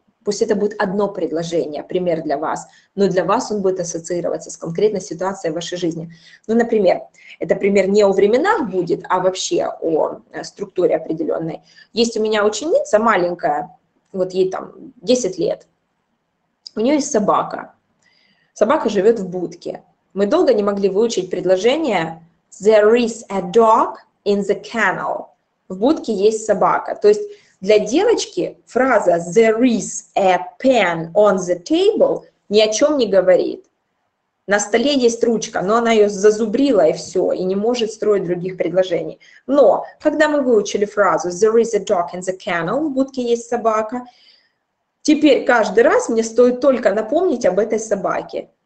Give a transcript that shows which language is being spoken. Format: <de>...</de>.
<ru>Пусть это будет одно предложение, пример для вас, но для вас он будет ассоциироваться с конкретной ситуацией в вашей жизни. Ну, например, это пример не о временах будет, а вообще о структуре определенной. Есть у меня ученица маленькая, вот ей там 10 лет, у нее есть собака. Собака живет в будке. Мы долго не могли выучить предложение</ru> <en>«There is a dog in the kennel».</en> <ru>В будке есть собака. То есть для девочки фраза</ru> <en>«There is a pen on the table»</en> <ru>ни о чем не говорит. На столе есть ручка, но она ее зазубрила и все, и не может строить других предложений. Но когда мы выучили фразу</ru> <en>«There is a dog in the kennel»,</en> <ru>в будке есть собака, теперь каждый раз мне стоит только напомнить об этой собаке.</ru>